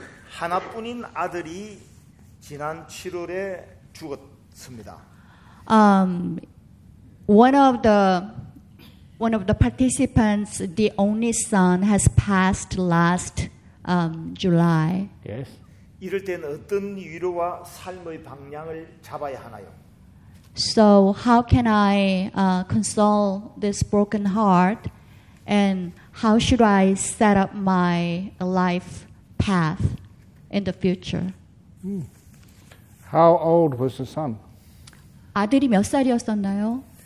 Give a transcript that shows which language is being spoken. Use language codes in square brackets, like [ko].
[ko] 하나뿐인 아들이 지난 7월에 죽었습니다. [en] One of the participants, the only son, has passed last July. Yes. [ko] 이럴 때는 어떤 위로와 삶의 방향을 잡아야 하나요? [en] So how can I console this broken heart, and how should I set up my life path? In the future. How old was the son? [ko] 아들이 몇 살이었었나요?